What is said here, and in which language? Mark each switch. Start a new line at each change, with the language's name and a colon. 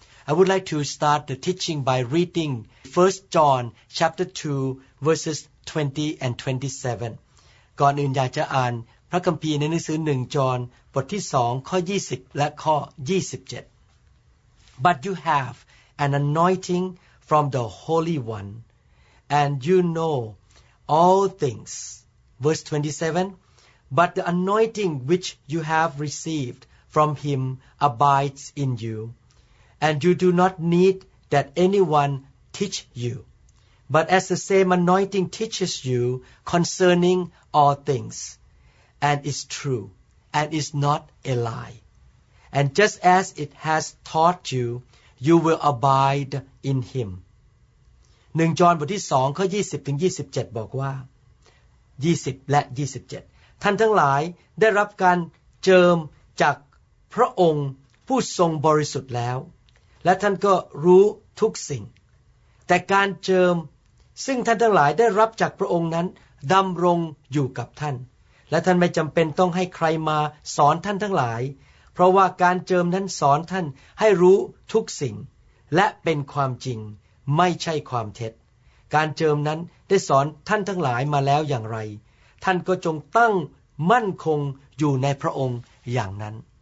English: I would like to start the teaching by reading 1 John chapter 2 verses 20 and 27
Thai: ก่อนอื่นอยากจะอ่านพระคัมภีร์ในหนังสือ1 John บทที่2ข้อ20และข้อ27
English: But you have an anointingFrom the Holy One, and you know all things. Verse 27, But the anointing which you have received from Him abides in you, and you do not need that anyone teach you. But as the same anointing teaches you concerning all things, and is true, and is not a lie. And just as it has taught you, you will abide in Him.
Thai: 1 จอห์นบทที่2ข้อ20ถึง27บอกว่า20และ27ท่านทั้งหลายได้รับการเจิมจากพระองค์ผู้ทรงบริสุทธิ์แล้วและท่านก็รู้ทุกสิ่ง แต่การเจิมซึ่งท่านทั้งหลายได้รับจากพระองค์นั้นดำรงอยู่กับท่านและท่านไม่จำเป็นต้องให้ใครมาสอนท่านทั้งหลายเพราะว่าการเจิมนั้นสอนท่านให้รู้ทุกสิ่งและเป็นความจริงไม่ใช่ความเท็จการเจิมนั้นได้สอนท่านทั้งหลายมาแล้วอย่างไรท่านก็จงตั้งมั่นคงอยู่ในพระองค์อย่างนั้น